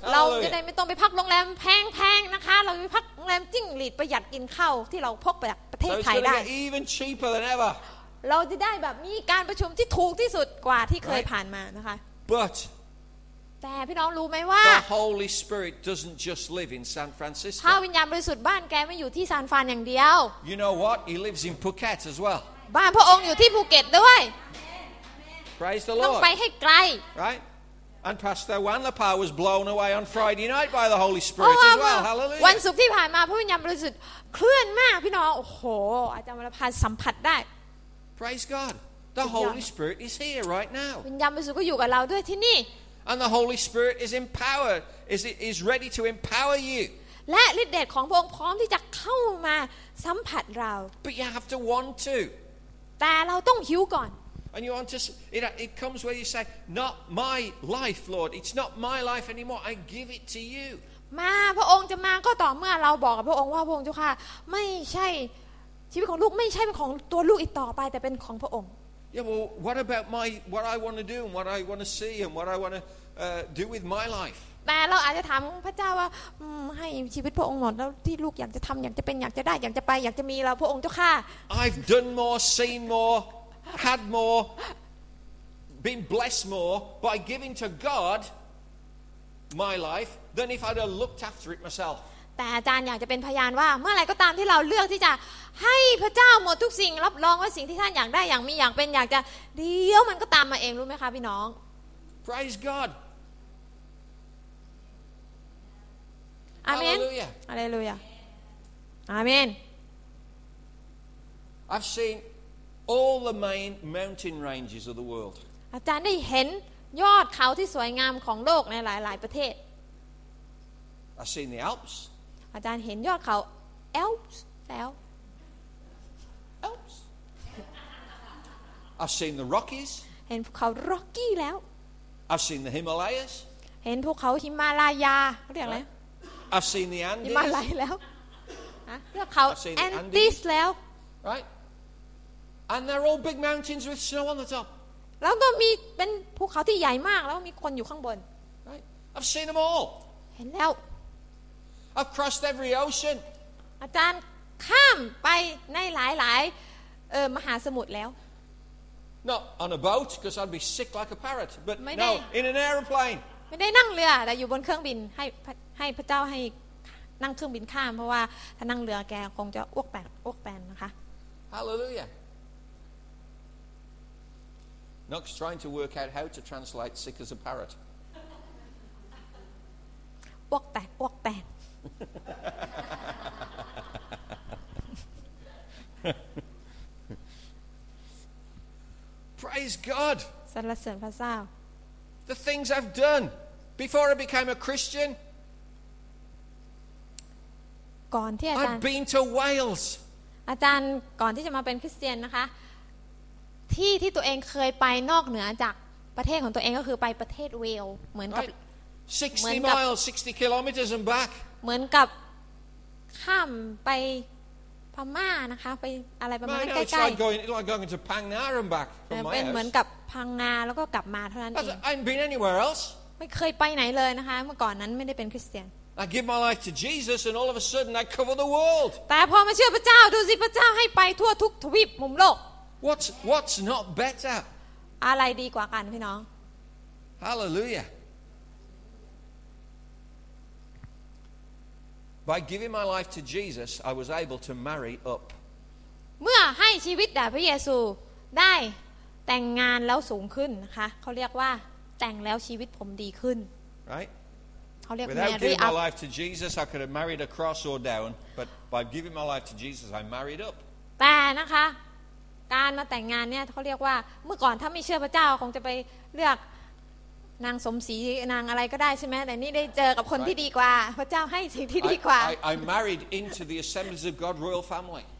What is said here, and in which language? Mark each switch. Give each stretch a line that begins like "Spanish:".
Thai: เราจะได้ไม่ต้องไปพักโรงแรมแพงๆนะคะเราไปพักโรงแรมจิ้งหรีดประหยัดกินข้าวที่เราพกไป
English: So it's going to get even cheaper than ever.
Thai: เราจะได้แบบมีการประชุมที่ถูกที่สุดกว่าที่เคยผ่านมานะคะ
English: But
Thai: แต่พี่น้องรู้ไหมว่า
English: The Holy Spirit doesn't just live in San Francisco.
Thai: พระวิญญาณบริสุทธิ์บ้านแกไม่อยู่ที่ซานฟรานอย่างเดียว
English: You know what? He lives in Phuket as well.
Thai: บ้านพระองค์อยู่ที่ภูเก็ตด้วย
English: Praise the Lord.
Thai: ต้องไปให้ไกล
English: Right? And Pastor Juan Lapa was blown away on Friday night by the Holy Spirit as well. Hallelujah.
Thai: วันศุกร์ที่ผ่านมาพระวิญญาณบริสุทธิ์เคลื่อนมากพี่น้องโอ้โหอาจารย์วรพันธ์สัมผัสได้
English: Praise God The Holy Spirit is here right now
Thai: วิญญาณบริสุทธิ์ก็อยู่กับเราด้วยที่นี่
English: And the Holy Spirit is empowered is ready to empower you
Thai: และฤทธิ์เดชของพระองค์พร้อมที่จะเข้ามาสัมผัสเรา
English: But you have to want to
Thai: แต่เราต้องหิวก่อน
English: And you want to it comes where you say not my life Lord it's not my life anymore I give it to you
Thai: มาพระองค์จะมาก็ต่อเมื่อเราบอกกับพระองค์ว่าพระองค์เจ้าค่ะไม่ใช่ชีวิตของลูกไม่ใช่เป็นของตัวลูกอีกต่อไปแต่เป็นของพระองค์
English: Yeah well what about my what I want to do and what I want to see and what I want to do with my life
Thai: แต่เราอาจจะถามพระเจ้าว่าให้ชีวิตพระองค์หมดแล้วที่ลูกอยากจะทำอยากจะเป็นอยากจะได้อยากจะไปอยากจะมีเราพระองค์เจ้าค่ ะ
English: I've done more seen more had more been blessed more by giving to God my lifeThen if I'd have looked after it myself.
Thai: แต่อาจารย์อยากจะเป็นพยานว่าเมื่อไรก็ตามที่เราเลือกที่จะให้พระเจ้าหมดทุกสิ่งรับรองว่าสิ่งที่ท่านอยากได้อย่างมีอย่างเป็นอยากจะเดี๋ยวมันก็ตามมาเองรู้ไหมคะพี่น้อง
English: Praise God. Amen. Hallelujah. Amen. I've seen all the main mountain ranges of the world.
Thai: อาจารย์ได้เห็นยอดเขาที่สวยงามของโลกในหลายๆประเทศ
English: I've seen the Alps.
Thai: อาจารย์เห็นยอดเขา Alps แล้ว
English: Alps. I've seen the Rockies.
Thai: เห็นภูเขา Rocky แล้ว
English: I've seen the Himalayas.
Thai: เห็นภูเขาหิมาลายาเรียกอะไร
English: I've seen the Andes.
Thai: หิมาลัยแล้วฮะยอดเขา Andes แล้ว
English: Right. And they're all big mountains with snow on the top.
Thai: แล้วก็มีเป็นภูเขาที่ใหญ่มากแล้วมีคนอยู่ข้างบน
English: Right. I've seen them all.
Thai: เห็นแล้ว
English: I've crossed every ocean.
Thai: อาจารย์ข้ามไปในหลายมหาสมุทรแล้ว
English: Not on a boat because I'd be sick like a parrot, but no, in an aeroplane.
Thai: ไม่ได้นั่งเรือแต่อยู่บนเครื่องบินให้พระเจ้าให้นั่งเครื่องบินข้ามเพราะว่าถ้านั่งเรือแกคงจะอ้วกแตกนะคะ
English: Hallelujah. Nook's trying to work out how to translate sick as a parrot. Wok tan, wok tan. Praise God.
Thai: สรรเสริญพระเจ้า.
English: The things I've done before I became a Christian.
Thai: ก่อนที่อาจารย์
English: I've been to Wales.
Thai: อาจารย์ก่อนที่จะมาเป็นคริสเตียนนะคะที่ที่ตัวเองเคยไปนอกเหนือจากประเทศของตัวเองก็คือไปประเทศเวลส์เหมือนกับ
English: 60 miles 60 kilometers and back
Thai: เหมือนกับข้ามไปพม่านะคะไปอะไรประมาณนั้นใกล้ๆ
English: like going to Pangna and back from my house
Thai: เหมือนกับพังงาแล้วก็กลับมาเท่านั้นเอง
English: I haven't been anywhere else
Thai: ไม่เคยไปไหนเลยนะคะเมื่อก่อนนั้นไม่ได้เป็นคริสเตียน
English: I give my life to Jesus and all of a sudden I cover the world.
Thai: แต่พอมาเชื่อพระเจ้าดูสิพระเจ้าให้ไปทั่วทุกทวีปมุมโลก
English: What's not better?
Thai: อะไรดีกว่ากันพี่น้อง
English: Hallelujah. By giving my life to Jesus I was able to marry up.
Thai: เมื่อให้ชีวิตแด่พระเยซูได้แต่งงานแล้วสูงขึ้นนะคะเขาเรียกว่าแต่งแล้วชีวิตผมดีขึ้น
English: Right? Without giving my life to Jesus, I could have married across or down. But by giving my life to Jesus, I married up.
Thai: แต่นะคะการมาแต่งงานเนี่ยเขาเรียกว่าเมื่อก่อนถ้าไม่เชื่อพระเจ้าคงจะไปเลือกนางสมศรีนางอะไรก็ได้ใช่ไหมแต่นี่ได้เจอกับคนที่ดีกว่าพระเจ้าให้สิ่งที่ดีกว่า
English: I married into the Assemblies of God royal family.